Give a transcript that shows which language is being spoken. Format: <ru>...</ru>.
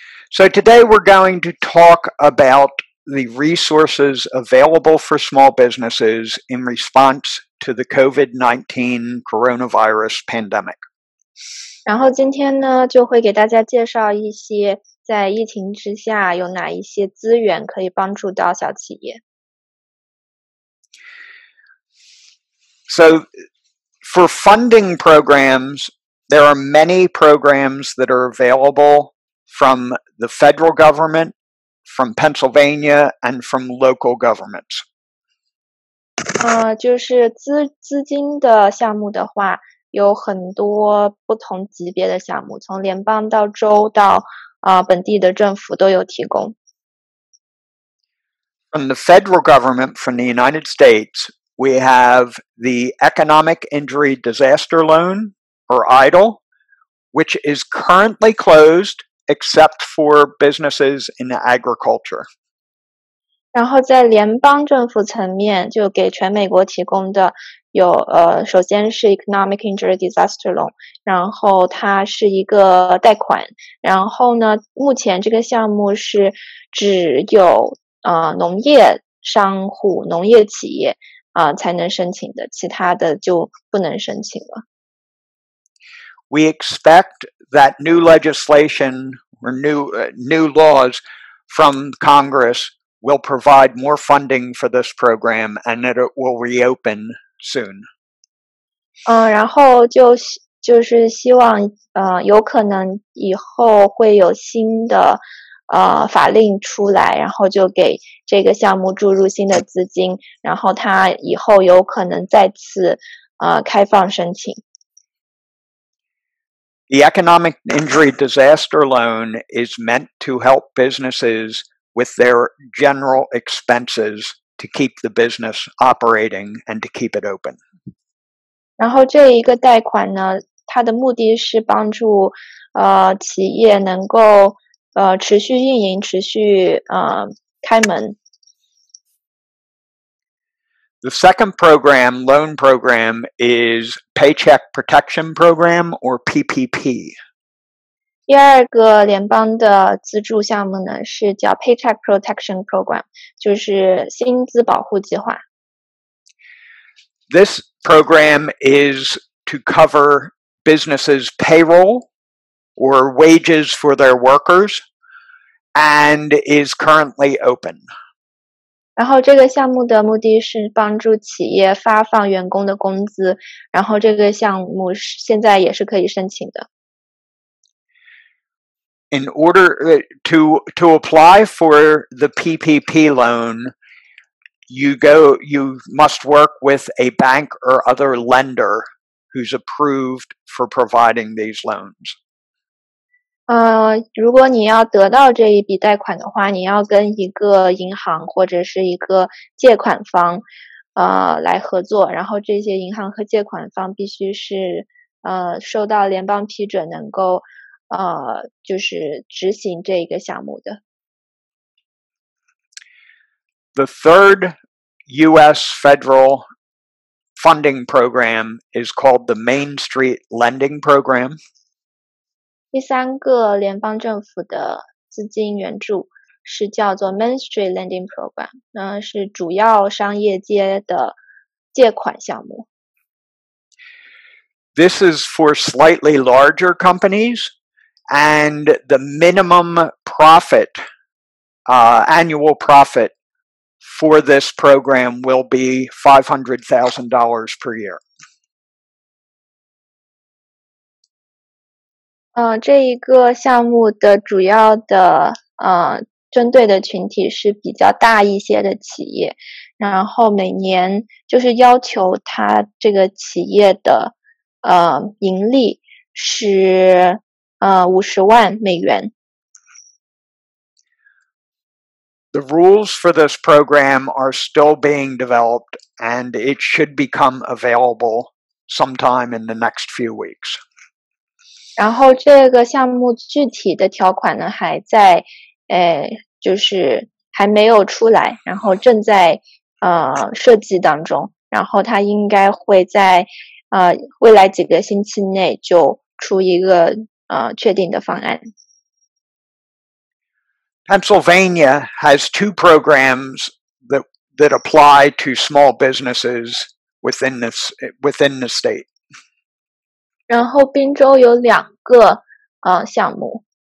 <en>So today we're going to talk about the resources available for small businesses in response to the COVID-19 coronavirus pandemic.</en> <zh>然后今天呢，就会给大家介绍一些在疫情之下有哪一些资源可以帮助到小企业。</zh> <en>So for funding programs, there are many programs that are available. From the federal government, from Pennsylvania, and from local governments.</en> <zh>就是资金的项目的话，有很多不同级别的项目，从联邦到州到本地的政府都有提供。</zh> <en>From the federal government, from the United States, we have the Economic Injury Disaster Loan, or EIDL, which is currently closed except for businesses in agriculture.</en> <zh>然后在联邦政府层面就给全美国提供的有首先是 Economic Injury Disaster Loan, 然后它是一个贷款。然后呢目前这个项目是只有农业商户、农业企业才能申请的，其他的就不能申请了。</zh> <en>We expect that new legislation or new laws from Congress will provide more funding for this program and that it will reopen soon.</en> <zh>然后就是希望有可能以后会有新的法令出来，然后就给这个项目注入新的资金，然后它以后有可能再次开放申请。</zh> <en>The Economic Injury Disaster Loan is meant to help businesses with their general expenses to keep the business operating and to keep it open.</en> <zh>然后这一个贷款呢，它的目的是帮助企业能够持续运营，持续开门。</zh> <en>The second program, loan program, is Paycheck Protection Program or PPP.</en> <zh>第二个联邦的资助项目呢，是叫 Paycheck Protection Program, 就是薪资保护计划。</zh> <en>This program is to cover businesses' payroll or wages for their workers. And is currently open.</en> <zh>然后这个项目的目的是帮助企业发放员工的工资，然后这个项目现在也是可以申请的。</zh> <en>In order to apply for the PPP loan, you must work with a bank or other lender who's approved for providing these loans.</en> <zh>如果你要得到这一笔贷款的话，你要跟一个银行或者是一个借款方来合作，然后这些银行和借款方必须是受到联邦批准，能够就是执行这一个项目的。</zh> <en>The third U.S. federal funding program is called the Main Street Lending Program.</en> <zh>第三个联邦政府的资金援助是叫做 Main Street Lending Program, 那是主要商业街的借款项目。</zh> <en>This is for slightly larger companies, and the minimum profit, annual profit for this program will be $500,000 per year.</en> <zh>这一个项目的主要的针对的群体是比较大一些的企业，然后每年就是要求他这个企业的盈利是$500,000。</zh> <en>The rules for this program are still being developed, and it should become available sometime in the next few weeks.</en> <zh>然后这个项目具体的条款呢还在就是还没有出来，然后正在设计当中，然后它应该会在未来几个星期内就出一个确定的方案。</zh> <en>Pennsylvania has two programs that apply to small businesses within the state.</en> <zh>然后宾州有两个项目。</zh>